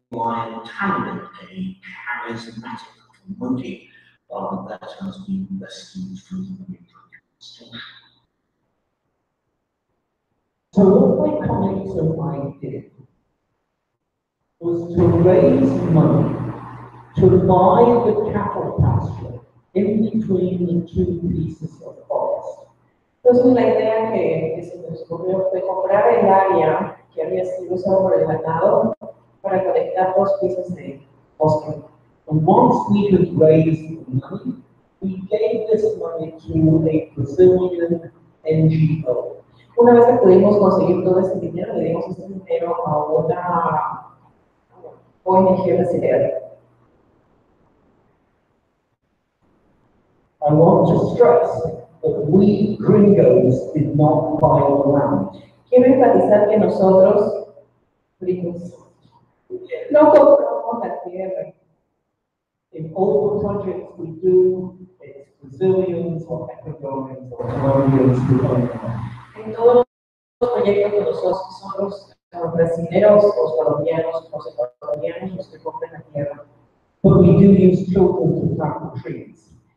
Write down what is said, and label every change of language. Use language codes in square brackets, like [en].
[en] lion tandem, a charismatic little monkey, that has been rescued from the military station. So what my colleagues and I did was to raise money to buy the cattle pasture in between the two pieces of forest. [es] Entonces la idea que se nos ocurrió fue comprar el área que había sido usado por el ganado para conectar dos piezas de bosque. [en] And once we had raised the money, we gave this money to a Brazilian NGO. [es] Una vez que pudimos conseguir todo ese dinero, le dimos ese dinero a una ONG brasileña. [en] I want to stress that we gringos did not buy the land. [es] Quiero enfatizar que nosotros, gringos, no compramos la tierra. [en] In all the projects we do, it's Brazilians or Ecuadorians or Colombians who own the land. [es] En todos los proyectos que nosotros somos brasileños o colombianos o ecuatorianos, los que compran la tierra. [en] But we do use children to plant the trees.